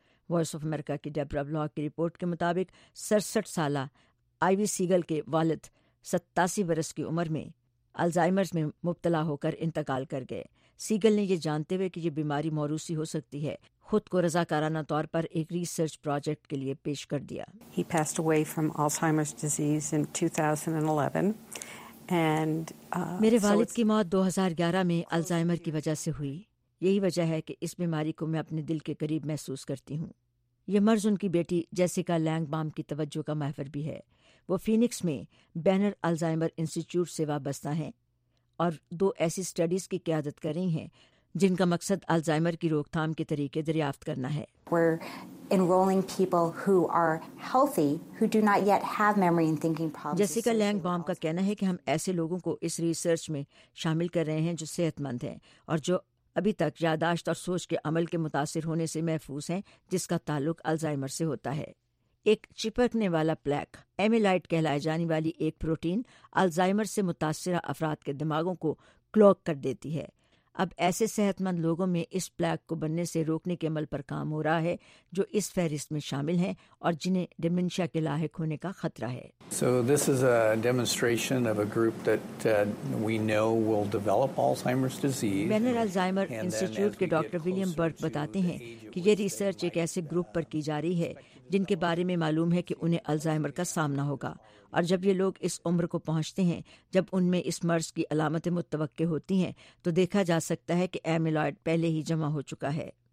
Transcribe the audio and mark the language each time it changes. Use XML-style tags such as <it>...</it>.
<ur>Voice of America کی Debra block کی report کے مطابق 67 سالہ آئی وی سیگل کے والد 87 برس کی عمر میں الزائمر میں مبتلا ہو کر انتقال کر گئے۔ سیگل نے یہ جانتے ہوئے کہ یہ بیماری موروثی ہو سکتی ہے خود کو رضاکارانہ طور پر ایک ریسرچ پروجیکٹ کے لیے پیش کر دیا۔</ur> <en>He passed away from Alzheimer's disease in 2011 and</en> <ur>میرے والد کی موت 2011 میں الزائمر کی وجہ سے ہوئی۔ یہی وجہ ہے کہ اس بیماری کو میں اپنے دل کے قریب محسوس کرتی ہوں۔ یہ مرض ان کی بیٹی جیسیکا لینگ بام کی توجہ کا محور بھی ہے۔ وہ فینکس میں بینر الزائمر انسٹیٹیوٹ سے وابستہ ہیں اور دو ایسی اسٹڈیز کی قیادت کر رہی ہیں جن کا مقصد الزائمر کی روک تھام کے طریقے دریافت کرنا ہے۔</ur> <en>We're enrolling people who are healthy, who do not yet have memory and thinking problems.</en> <ur>جیسیکا لینگ بام کا کہنا ہے کہ ہم ایسے لوگوں کو اس ریسرچ میں شامل کر رہے ہیں جو صحت مند ہیں اور جو ابھی تک یاداشت اور سوچ کے عمل کے متاثر ہونے سے محفوظ ہیں جس کا تعلق الزائمر سے ہوتا ہے۔ ایک چپکنے والا پلیک، ایمیلائٹ کہلائے جانے والی ایک پروٹین، الزائمر سے متاثرہ افراد کے دماغوں کو کلاک کر دیتی ہے۔ اب ایسے صحت مند لوگوں میں اس پلیک کو بننے سے روکنے کے عمل پر کام ہو رہا ہے جو اس فہرست میں شامل ہیں اور جنہیں ڈیمنشیا کے لاحق ہونے کا خطرہ ہے۔</ur> <en>So this is a demonstration of a group that we know will develop Alzheimer's disease.</en> <ur>Banner Alzheimer institute کے ڈاکٹر ولیم برک بتاتے ہیں کہ یہ ریسرچ ایک ایسے گروپ پر کی جا رہی ہے جن کے بارے میں معلوم ہے کہ انہیں الزائمر کا سامنا ہوگا، اور جب یہ لوگ اس عمر کو پہنچتے ہیں جب ان میں اس مرض کی علامتیں متوقع ہوتی ہیں تو دیکھا جا سکتا ہے کہ ایمیلائڈ پہلے ہی جمع ہو چکا ہے۔</ur>